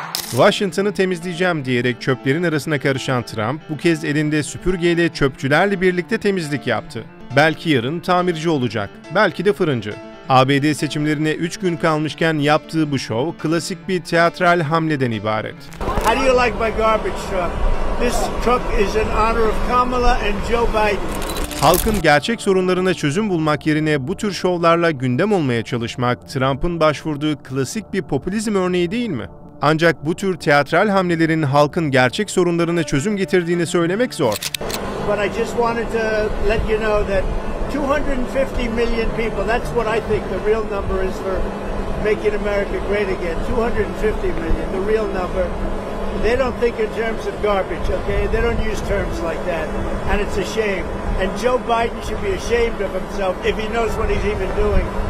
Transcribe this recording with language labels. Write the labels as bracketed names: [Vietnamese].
[Turkish] Washington'ı temizleyeceğim diyerek çöplerin arasına karışan Trump, bu kez elinde süpürgeyle çöpçülerle birlikte temizlik yaptı. Belki yarın tamirci olacak, belki de fırıncı. ABD seçimlerine 3 gün kalmışken yaptığı bu şov, klasik bir teatral hamleden ibaret. [English] How do you like my garbage truck? This truck is in honor of Kamala and Joe Biden. [Turkish] Halkın gerçek sorunlarına çözüm bulmak yerine bu tür şovlarla gündem olmaya çalışmak, Trump'ın başvurduğu klasik bir popülizm örneği değil mi? Ancak bu tür teatral hamlelerin halkın gerçek sorunlarına çözüm getirdiğini söylemek zor. [English] But I just wanted to let you know that 250 million people, that's what I think the real number is for making America great again. 250 million, the real number. They don't think in terms of garbage, okay? They don't use terms like that. And it's a shame. And Joe Biden should be ashamed of himself if he knows what he's even doing.